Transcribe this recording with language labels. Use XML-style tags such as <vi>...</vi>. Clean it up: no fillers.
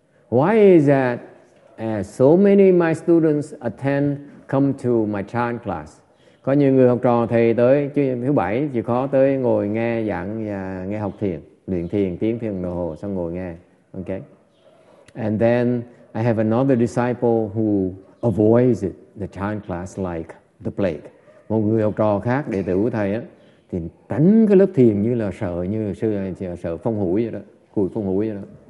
<en>Why is that? So many my students attend, come to my chant class.</en> <vi>Có nhiều người học trò thầy tới thứ bảy chỉ có tới ngồi nghe giảng, nghe học thiền, luyện thiền, tiếng thiền đồng hồ xong ngồi nghe. Okay.</vi> <en>And then I have another disciple who avoids it, the chant class like the plague.</en> <vi>Một người học trò khác đệ tử của thầy á thì tránh cái lớp thiền như là sợ, như là sư sợ phong hủi vậy đó, cùi phong hủi vậy đó.</vi>